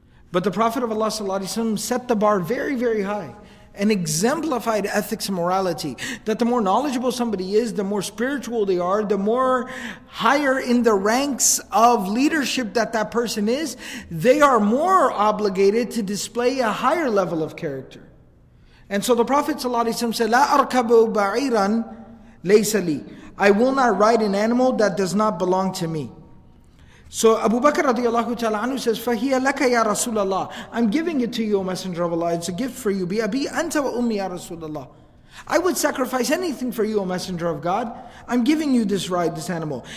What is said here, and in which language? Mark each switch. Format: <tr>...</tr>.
<en>But the Prophet of Allah ﷺ set the bar very, very high and exemplified ethics and morality. That the more knowledgeable somebody is, the more spiritual they are, the more higher in the ranks of leadership that that person is, they are more obligated to display a higher level of character. And so the Prophet ﷺ said,</en> <ar>لَا أَرْكَبُ بَعِيرًا لَيْسَ لِي.</ar> <en>I will not ride an animal that does not belong to me. So Abu Bakr radiallahu ta'ala anhu says,</en> <ar>فَهِيَ لَكَ يَا رَسُولَ اللَّهِ.</ar> <en>I'm giving it to you, O Messenger of Allah. It's a gift for you.</en> <ar>بِأَبِي أَنْتَ وَأُمِّي يَا رَسُولَ اللَّهِ.</ar> <en>I would sacrifice anything for you, O Messenger of God. I'm giving you this ride, this animal.</en>